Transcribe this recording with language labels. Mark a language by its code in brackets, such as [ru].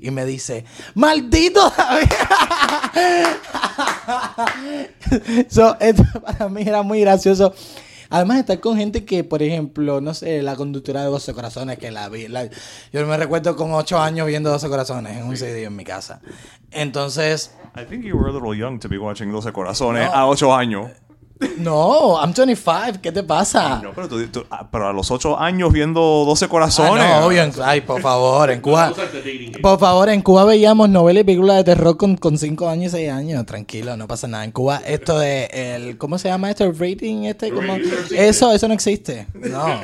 [es] Y me dice, ¡maldito David! So, esto para mí era muy gracioso. Además, estar con gente que, por ejemplo, no sé, la conductora de 12 Corazones, que la vi. Yo me recuerdo con 8 años viendo 12 Corazones en un CD en mi casa. Entonces. [en] I think you were a little young to be watching 12 Corazones [es] a 8 años. No, [en] I'm 25. [es] ¿Qué te pasa? No, pero pero a los 8 años viendo 12 Corazones. Ah, no, obvio. Ay, por favor, en Cuba. Por favor, en Cuba veíamos novelas y películas de terror con 5 años y 6 años. Tranquilo, no pasa nada. En Cuba, esto de el... ¿Cómo se llama esto? ¿El rating este? ¿Cómo? Eso no existe. No.